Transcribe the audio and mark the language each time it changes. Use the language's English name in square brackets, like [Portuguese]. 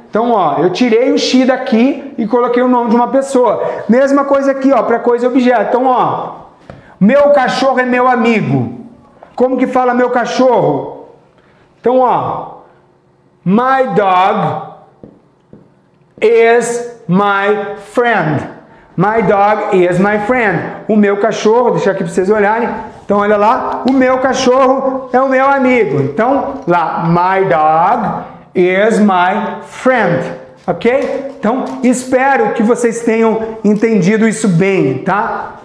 [Portuguese] Então, ó, eu tirei o X daqui e coloquei o nome de uma pessoa. Mesma coisa aqui, ó, para coisa e objeto. Então, ó, meu cachorro é meu amigo. Como que fala meu cachorro? Então, ó, [English] my dog is my friend. My dog is my friend. [Portuguese] O meu cachorro, vou deixar aqui para vocês olharem. Então, olha lá. O meu cachorro é o meu amigo. Então, lá. [English] My dog is my friend. Ok? [Portuguese] Então, espero que vocês tenham entendido isso bem, tá?